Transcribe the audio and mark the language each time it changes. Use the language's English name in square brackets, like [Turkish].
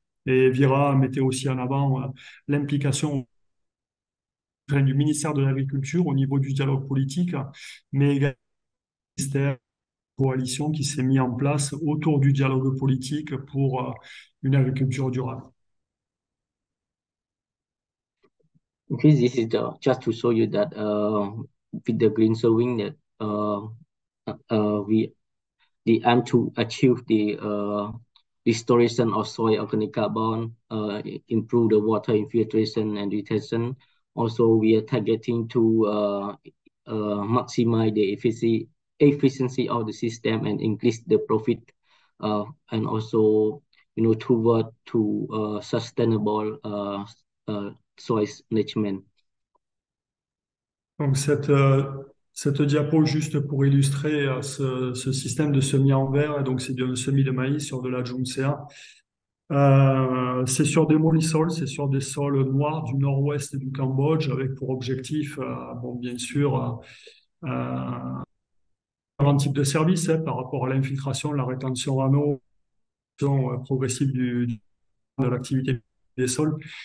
[French] Et Vira mettait aussi en avant l'implication du ministère de l'Agriculture au niveau du dialogue politique, mais également du ministère de la coalition qui s'est mis en place autour du dialogue politique pour une agriculture durable. [English] Okay, this is just to show you that with the green sowing that we the aim to achieve the restoration of soil organic carbon, improve the water infiltration and retention. Also, we are targeting to maximize the efficiency of the system and increase the profit, and also you know toward to sustainable soil management. [French] Donc cette diapo juste pour illustrer ce système de semis en verre, donc c'est du semis de maïs sur de la Junsea. C'est sur des molisols, c'est sur des sols noirs du nord-ouest du Cambodge, avec pour objectif, bon, bien sûr, différents types de services hein, par rapport à l'infiltration, la rétention en eau, progressive de l'activité des sols.